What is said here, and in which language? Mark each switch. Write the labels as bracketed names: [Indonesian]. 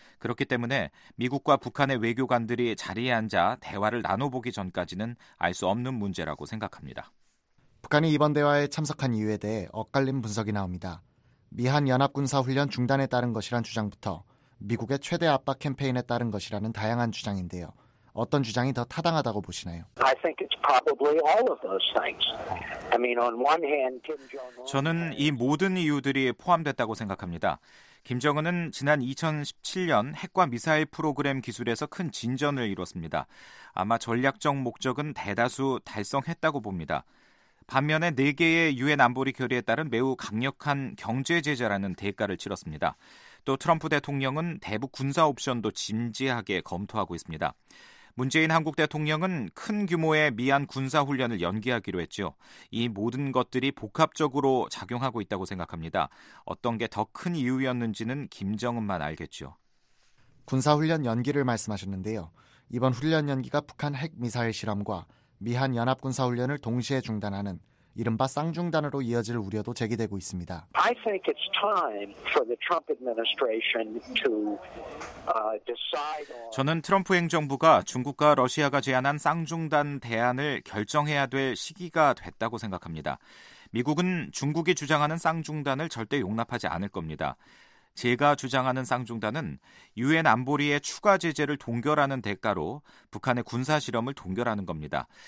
[Korean] 그렇기 때문에 미국과 북한의 외교관들이 자리에 앉아 대화를 나눠보기 전까지는 알 수 없는 문제라고 생각합니다. 북한이 이번 대화에 참석한 이유에 대해 엇갈린 분석이 나옵니다. 미한 연합군사훈련 중단에 따른 것이란 주장부터 미국의 최대 압박 캠페인에 따른 것이라는 다양한 주장인데요. 어떤 주장이 더 타당하다고 보시나요? [English] I think it's probably all of those things. I mean, on one hand, Kim Jong-un. [Korean] 저는 이 모든 이유들이 포함됐다고 생각합니다. 김정은은 지난 2017년 핵과 미사일 프로그램 기술에서 큰 진전을 이뤘습니다. 아마 전략적 목적은 대다수 달성했다고 봅니다. 반면에 네 개의 유엔 안보리 결의에 따른 매우 강력한 경제 제재라는 대가를 치렀습니다. 또 트럼프 대통령은 대북 군사 옵션도 진지하게 검토하고 있습니다. 문재인 한국 대통령은 큰 규모의 미한 군사 훈련을 연기하기로 했죠. 이 모든 것들이 복합적으로 작용하고 있다고 생각합니다. 어떤 게 더 큰 이유였는지는 김정은만 알겠죠. 군사 훈련 연기를 말씀하셨는데요. 이번 훈련 연기가 북한 핵 미사일 실험과 미한 연합 군사 훈련을 동시에 중단하는 이른바 쌍중단으로 이어질 우려도 제기되고 있습니다. [English] I think it's time for the Trump administration to decide. [Korean] 저는 트럼프 행정부가 중국과 러시아가 제안한 쌍중단 대안을 결정해야 될 시기가 됐다고 생각합니다. 미국은 중국이 주장하는 쌍중단을 절대 용납하지 않을 겁니다. 제가 주장하는 쌍중단은 유엔 안보리의 추가 제재를 동결하는 대가로 북한의 군사 실험을 동결하는 겁니다.